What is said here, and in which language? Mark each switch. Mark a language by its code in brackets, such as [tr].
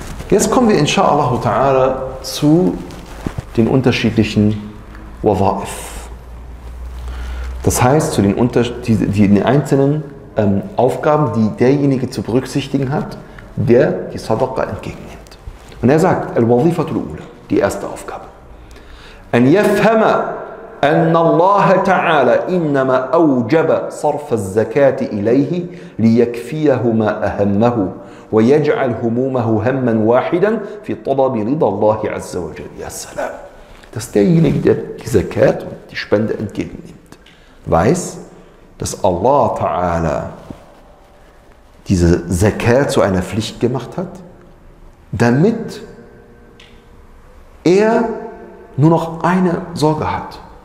[de] Jetzt kommen wir, insha'Allah ta'ala, zu den unterschiedlichen Wawa'if. Das heißt, zu den, den einzelnen Aufgaben, die derjenige zu berücksichtigen hat, der die Sadaqa entgegennimmt. Und er sagt, al-Wazifatul Ula, die erste Aufgabe. [ar] أن يفهم أن الله تعالى إنما أوجب صرف الزكاة إليه ليكفيهما أهمه ويجعل همومه هما واحدا في طلب رضا الله عز وجل. يا سلام. [de] Dass derjenige, der die Zakat und die Spende entgegennimmt, weiß, dass Allah Ta'ala diese Zakat zu einer Pflicht gemacht hat, damit er nur noch eine Sorge hat.